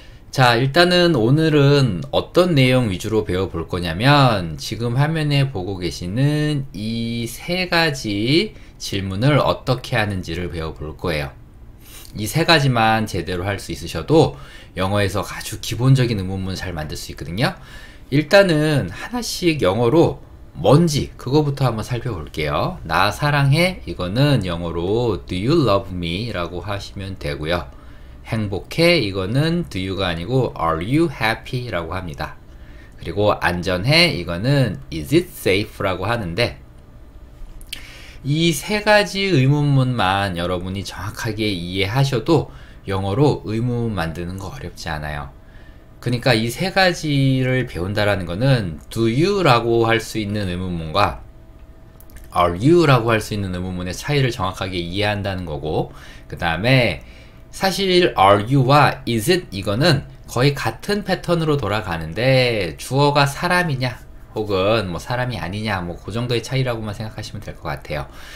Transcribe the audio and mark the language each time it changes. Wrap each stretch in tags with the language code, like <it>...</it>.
<ko>자, 일단은 오늘은 어떤 내용 위주로 배워볼 거냐면, 지금 화면에 보고 계시는 이세 가지 질문을 어떻게 하는지를 배워볼 거예요. 이세 가지만 제대로 할수 있으셔도 영어에서 아주 기본적인 의문문 잘 만들 수 있거든요. 일단은 하나씩 영어로 뭔지 그거부터 한번 살펴볼게요. 나 사랑해. 이거는 영어로</ko> <en>Do you love me?</en> <ko>라고 하시면 되고요. 행복해, 이거는</ko> <en>do you가</en> <ko>아니고</ko> <en>are you happy?</en> <ko>라고 합니다. 그리고 안전해, 이거는</ko> <en>is it safe?</en> <ko>라고 하는데, 이세 가지 의문문만 여러분이 정확하게 이해하셔도 영어로 의문문 만드는 거 어렵지 않아요. 그러니까 이세 가지를 배운다라는 거는 do you라고 할수 있는 의문문과 are you라고 할수 있는 의문문의 차이를 정확하게 이해한다는 거고, 그 다음에 사실 are you와 is it 이거는 거의 같은 패턴으로 돌아가는데 주어가 사람이냐 혹은 뭐 사람이 아니냐 뭐그 정도의 차이라고만 생각하시면 될것 같아요.</ko>